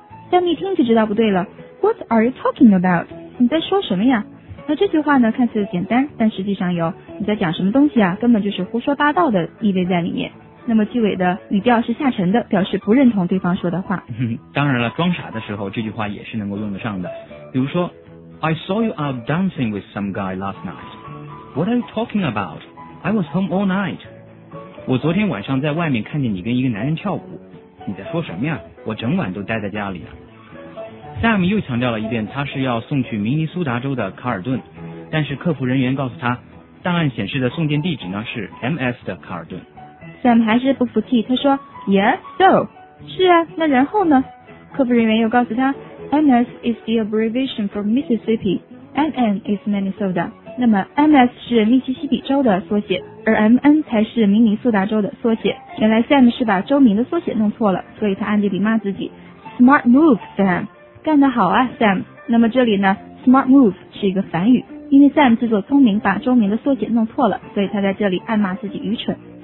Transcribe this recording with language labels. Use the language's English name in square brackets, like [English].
[Chinese] Sam 一听就知道不对了， [English] What are you talking about? [Chinese] 你在说什么呀？那这句话呢，看似简单，但实际上有你在讲什么东西啊，根本就是胡说八道的意味在里面。那么句尾的语调是下沉的，表示不认同对方说的话。当然了，装傻的时候这句话也是能够用得上的。比如说 [English] I saw you out dancing with some guy last night. What are you talking about? I was home all night. [Chinese] 我昨天晚上在外面看见你跟一个男人跳舞。你在说什么呀？我整晚都待在家里呢。Sam 又强调了一遍，他是要送去明尼苏达州的卡尔顿，但是客服人员告诉他，档案显示的送件地址呢是 MS 的卡尔顿。 Sam 还是不服气，他说 ， [English] Yes, so. [Chinese] 是啊，那然后呢？客服人员又告诉他 [English] ，MS is the abbreviation for Mississippi, and N is Minnesota. [Chinese] 那么 MS 是密西西比州的缩写，而 MN 才是明尼苏达州的缩写。原来 Sam 是把州名的缩写弄错了，所以他暗地里骂自己 [English] Smart move Sam， [Chinese] 干得好啊 Sam。那么这里呢 Smart move 是一个反语，因为 Sam 自作聪明把州名的缩写弄错了，所以他在这里暗骂自己愚蠢。